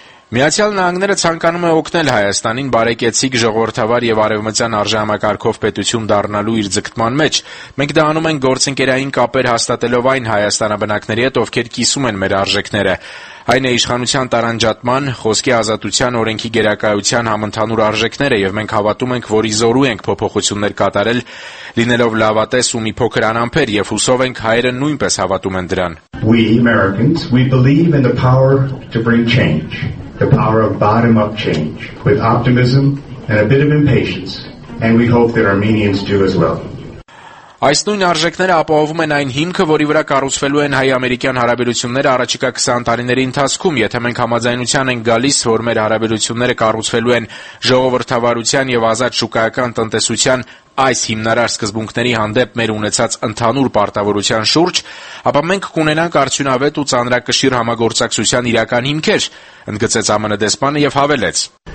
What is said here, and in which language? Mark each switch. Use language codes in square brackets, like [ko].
[hy] Միացյալ Նահանգները ցանկանում է օգնել Հայաստանին բարեկեցիկ, ժողովրդավար եւ արևմտյան արժանապատվով պետություն դառնալու իր ձգտման մեջ։ Մենք դա անում ենք գործընկերային կապեր հաստատելով այն հայաստանաբնակների հետ, ովքեր կիսում են մեր արժեքները։ Այն է իշխանության տարանջատման, խոսքի ազատության, օրենքի գերակայության համընդհանուր արժեքները, եւ մենք հավատում ենք, որ իզորու ենք փոփոխություններ կատարել, լինելով լավատես ու մի փոքր անամփեր, եւ հուսով ենք հայերը նույնպես հավատում են դրան։ [en] We Americans, we believe in the power to bring change. The power of bottom-up change, with optimism and a bit of impatience, and we hope that Armenians do as well. [hy] Այս նույն արժեքները ապահովում են այն հիմքը, որի վրա կառուցվելու են հայ-ամերիկյան հարաբերությունները առաջիկա 20 տարիների ընթացքում, եթե մենք համաձայնության ենք գալիս, որ մեր հարաբերությունները կառուցվելու են ժողովրդավարության եւ ազատ շուկայական տնտեսության այս հիմնարար սկզբունքների հանդեպ մեր ունեցած ընդհանուր պարտավորության շուրջ, ապա մենք կունենանք արդյունավետ ու ծանրակշիռ համագործակցության իրական հիմքեր, ընդգծեց ԱՄՆ դեսպանը եւ հավելեց.